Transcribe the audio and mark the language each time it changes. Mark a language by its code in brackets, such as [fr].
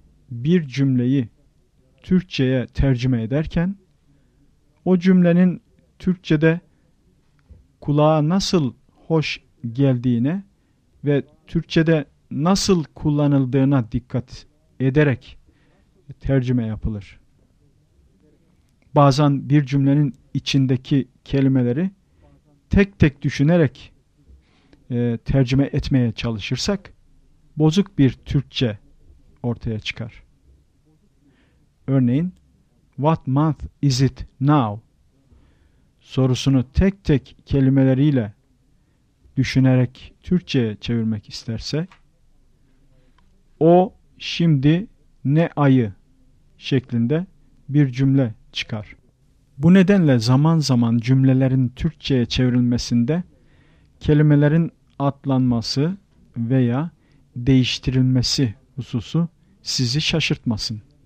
[tr] Bir cümleyi Türkçe'ye tercüme ederken o cümlenin Türkçe'de kulağa nasıl hoş geldiğine ve Türkçe'de nasıl kullanıldığına dikkat ederek tercüme yapılır. Bazen bir cümlenin içindeki kelimeleri tek tek düşünerek tercüme etmeye çalışırsak bozuk bir Türkçe ortaya çıkar. Örneğin, [en] What month is it now? [tr] Sorusunu tek tek kelimeleriyle düşünerek Türkçe'ye çevirmek isterse, o şimdi ne ayı şeklinde bir cümle çıkar. Bu nedenle zaman zaman cümlelerin Türkçe'ye çevrilmesinde kelimelerin atlanması veya değiştirilmesi hususu sizi şaşırtmasın.